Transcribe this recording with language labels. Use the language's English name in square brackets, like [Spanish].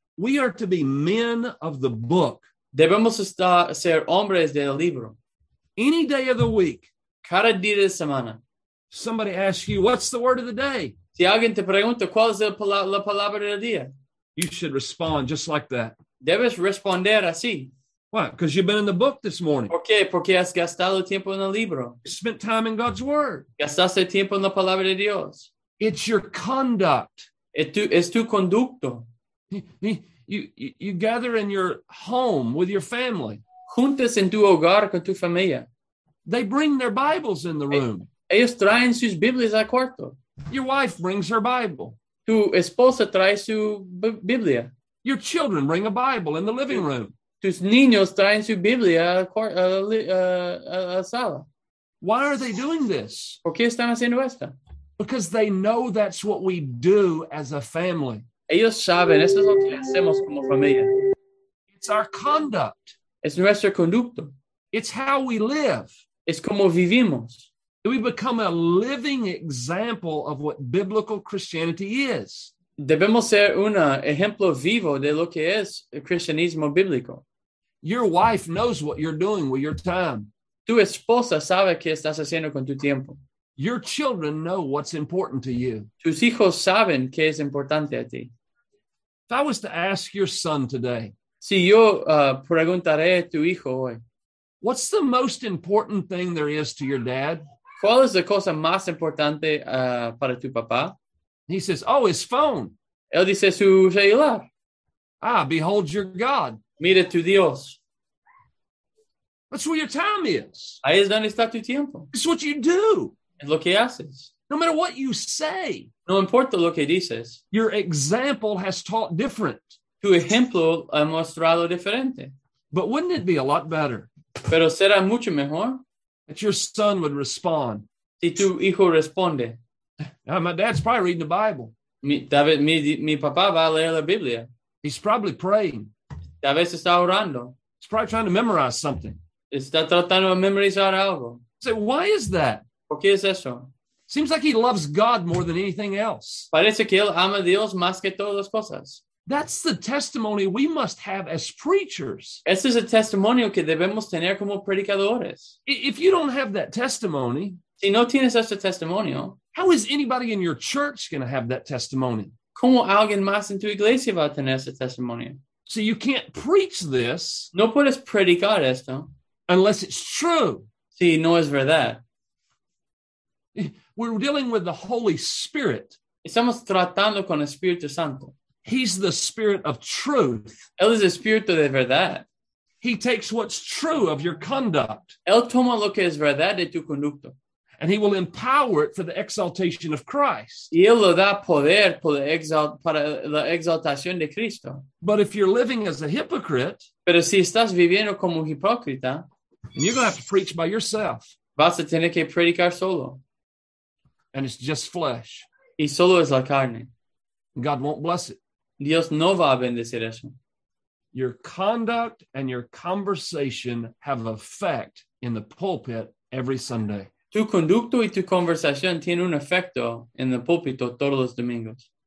[English] We are to be men of the book. [Spanish] Debemos estar, ser hombres del libro. [English] Any day of the week. [Spanish] Cada día de semana. [English] Somebody asks you, what's the word of the day? [Spanish] Si alguien te pregunta, ¿cuál es la palabra del día? [English] You should respond just like that. [Spanish] Debes responder así. [English] Why? Because you've been in the book this morning. [Spanish] ¿Por qué? Porque has gastado tiempo en el libro. [English] You spent time in God's word. [Spanish] Gastaste tiempo en la palabra de Dios. [English] It's your conduct. [Spanish] Es tu conducto. [English] You gather in your home with your family. [Spanish] Juntas en tu hogar con tu familia. [English] They bring their Bibles in the room. [Spanish] Ellos traen sus Biblias al cuarto. [English] Your wife brings her Bible. [Spanish] Tu esposa trae su Biblia. [English] Your children bring a Bible in the living room. [Spanish] Tus niños traen su Biblia a la sala. [English] Why are they doing this? [Spanish] ¿Por qué están haciendo esto? [English] Because they know that's what we do as a family. [Spanish] Ellos saben, eso es lo que hacemos como familia. [English] It's our conduct. [Spanish] Es nuestro conducto. [English] It's how we live. [Spanish] Es como vivimos. [English] We become a living example of what biblical Christianity is. [Spanish] Debemos ser un ejemplo vivo de lo que es el cristianismo bíblico. [English] Your wife knows what you're doing with your time. [Spanish] Tu esposa sabe qué estás haciendo con tu tiempo. [English] Your children know what's important to you. [Spanish] Tus hijos saben qué es importante a ti. [English] If I was to ask your son today, [Spanish] si yo preguntaré a tu hijo hoy, [English] what's the most important thing there is to your dad? [Spanish] ¿Cuál es la cosa más importante para tu papá? [English] He says, oh, his phone. [Spanish] Él dice su celular. [English] Ah, behold your God. [Spanish] Mira tu Dios. [English] That's where your time is. [Spanish] Ahí es donde está tu tiempo. [English] It's what you do. [Spanish] Es lo que haces. [English] No matter what you say. [Spanish] No importa lo que dices. [English] Your example has taught different. [Spanish] Tu ejemplo ha mostrado diferente. [English] But wouldn't it be a lot better? [Spanish] Pero será mucho mejor. [English] That your son would respond. [Spanish] Si tu hijo responde. [English] Now, my dad's probably reading the Bible. [Spanish] Mi papá va a leer la Biblia. [English] He's probably praying. [Spanish] Tal vez está orando. [English] He's probably trying to memorize something. [Spanish] Está tratando de memorizar algo. [English] Say, why is that? [Spanish] ¿Por qué es eso? [English] Seems like he loves God more than anything else. [Spanish] Parece que él ama a Dios más que todas las cosas. [English] That's the testimony we must have as preachers. [Spanish] Ese es el testimonio que debemos tener como predicadores. [English] If you don't have that testimony, [Spanish] si no tienes ese testimonio, [English] how is anybody in your church going to have that testimony? [Spanish] ¿Cómo alguien más en tu iglesia va a tener ese testimonio? [English] So you can't preach this. [Spanish] No puedes predicar esto. [English] Unless it's true. [Spanish] Si no es verdad. [English] We're dealing with the Holy Spirit. [Spanish] Estamos tratando con el Espíritu Santo. [English] He's the Spirit of truth. [Spanish] Él es el Espíritu de verdad. [English] He takes what's true of your conduct. [Spanish] Él toma lo que es verdad de tu conducto. [English] And he will empower it for the exaltation of Christ. [Spanish] Y él lo da poder para la exaltación de Cristo. [English] But if you're living as a hypocrite, [Spanish] pero si estás viviendo como un hipócrita, [English] and you're going to have to preach by yourself. [Spanish] Vas a tener que predicar solo. [English] And it's just flesh. [Spanish] Y solo es la carne. [English] God won't bless it. [Spanish] Dios no va a bendecir eso. [English] Your conduct and your conversation have effect in the pulpit every Sunday. [Spanish] Tu conducto y tu conversación tienen un efecto en el púlpito todos los domingos.